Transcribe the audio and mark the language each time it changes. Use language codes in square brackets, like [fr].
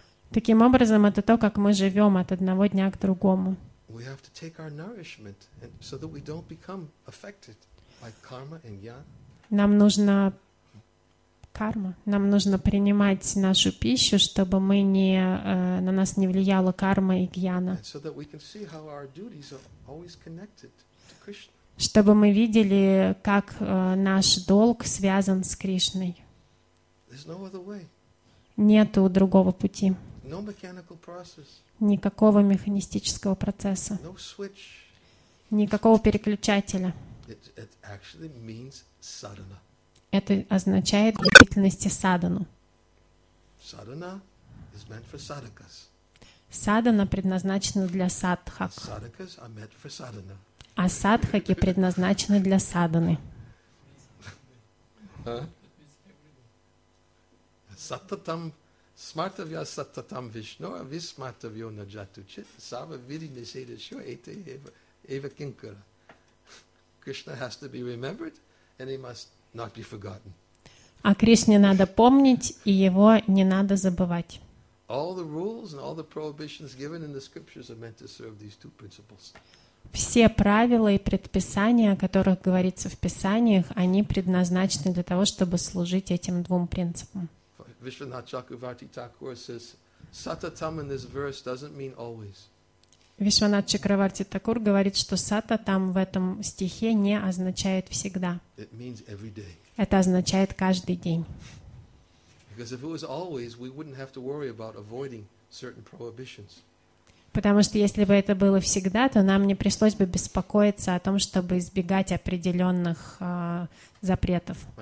[ru] Таким образом, это то, как мы живем от одного дня к другому. [en] We have to take our nourishment so that we don't become affected by karma and jnana. [ru] Нам нужно карма. Нам нужно принимать нашу пищу, чтобы мы не на нас не влияла карма и гьяна. [en] So that we can see how our duties are always connected to Krishna. [ru] Чтобы мы видели, как наш долг связан с Кришной. [en] There's no other way. [ru] Нету другого пути. [en] No mechanical process. [ru] Никакого механистического процесса. [en] No switch. [ru] Никакого переключателя. [en] It actually means sadhana. [ru] Это означает в действительности садхану. [en] Sadhana is meant for sadhakas. [ru] Садхана предназначена для садхак. [en] Sadhakas are meant for sadhana. [ru] А садхаки предназначены для садханы. [sa] Саттатам смартавья саттатам вишнуа висмартавьо наджату чит сава видине седешо эйте эва кинкара. [en] Krishna has to be remembered and he must not be forgotten. [ru] А Кришне надо помнить, и его не надо забывать. [en] All the rules and all the prohibitions given in the scriptures are meant to serve these two principles. [ru] Все правила и предписания, о которых говорится в Писаниях, они предназначены для того, чтобы служить этим двум принципам. [en] Вишванат Чакраварти Такур says, "Сататам" in this verse doesn't mean always. [ru] Вишванат Чакраварти Такур говорит, что сататам в этом стихе не означает всегда. [en] It means every day. [ru] Это означает каждый день. [en] Because if it was always, we wouldn't have to worry about avoiding certain prohibitions. [ru] Потому что если бы это было всегда, то нам не пришлось бы беспокоиться о том, чтобы избегать определенных запретов.